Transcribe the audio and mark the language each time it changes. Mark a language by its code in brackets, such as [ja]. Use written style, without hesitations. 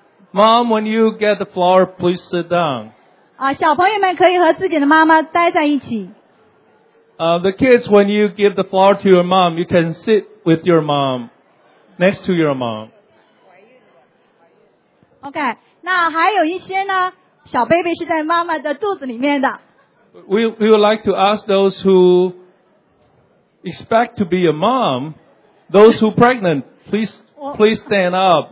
[en] Mom, when you get the flower, please sit down. [zh] 小朋友们可以和自己的妈妈待在一起。 [en] The kids, when you give the flower to your mom, you can sit with your mom, next to your mom. [zh] OK, 那还有一些呢？小 baby 是在妈妈的肚子里面的。 [en] We would like to ask those who expect to be a mom, those who pregnant, please stand up.